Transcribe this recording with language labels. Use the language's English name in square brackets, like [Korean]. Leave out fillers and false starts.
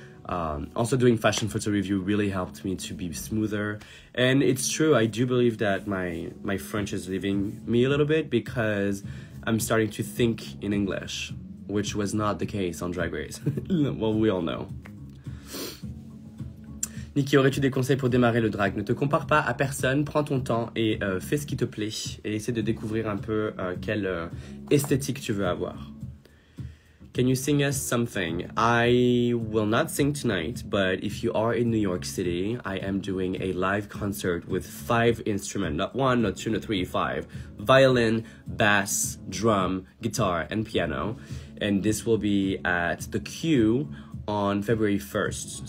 [English] Also doing fashion photo review really helped me to be smoother. And it's true, I do believe that my French is leaving me a little bit because I'm starting to think in English, which was not the case on Drag Race. Well, we all know. [French] Nicky, aurais-tu des conseils pour démarrer le drag? Ne te compare pas à personne, prends ton temps et fais ce qui te plaît et essaie de découvrir un peu quelle esthétique tu veux avoir. [English] Can you sing us something? I will not sing tonight, but if you are in New York City, I am doing a live concert with 5 instruments. Not 1, not 2, not 3, 5. Violin, bass, drum, guitar, and piano. And this will be at the Q on February 1st.